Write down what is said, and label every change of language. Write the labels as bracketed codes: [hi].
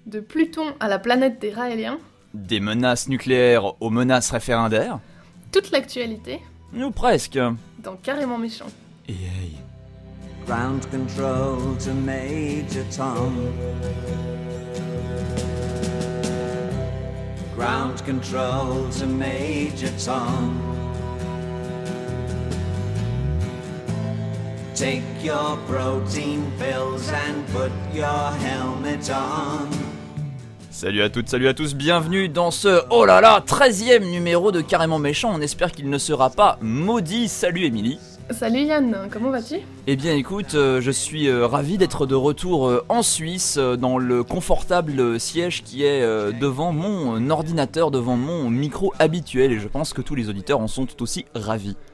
[fr] de Pluton à la planète des Raéliens, des menaces nucléaires aux menaces référendaires, toute l'actualité, ou presque, dans Carrément Méchant. Yay. [en] Ground control to Major Tom. Ground control to Major Tom. Take your protein pills and put your helmet on. [fr] Salut à toutes, salut à tous, bienvenue dans ce, oh là là, 13e numéro de Carrément Méchant. On espère qu'il ne sera pas maudit. Salut Émilie. Salut Yann, comment vas-tu ? Eh bien écoute, je suis ravi d'être de retour en Suisse, dans le confortable siège qui est devant mon ordinateur, devant mon micro habituel, et je pense que tous les auditeurs en sont tout aussi ravis.